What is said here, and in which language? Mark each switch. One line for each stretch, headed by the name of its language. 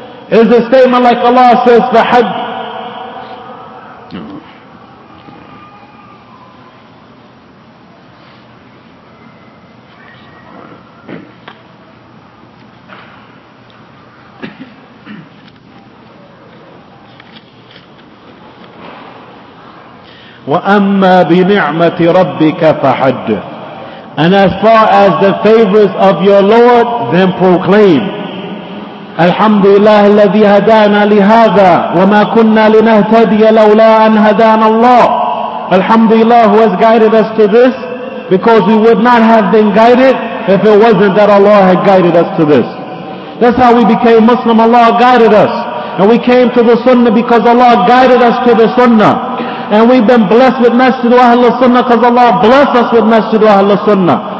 English: It's a statement like Allah says,
Arabic: فَحَدْ وَأَمَّا بِنِعْمَةِ رَبِّكَ فَحَدِّ.
English: And as far as the favors of your Lord, then proclaim.
Arabic: Alhamdulillah الذي هدانا لهذا وما كنا لنهتدي لولا أن هدانا الله.
English: Alhamdulillah who has guided us to this, because we would not have been guided if it wasn't that Allah had guided us to this. That's how we became Muslim. Allah guided us. And we came to the Sunnah because Allah guided us to the Sunnah. And we've been blessed with Masjid Ahl al-Sunnah because Allah bless us with Masjid Ahl al-Sunnah.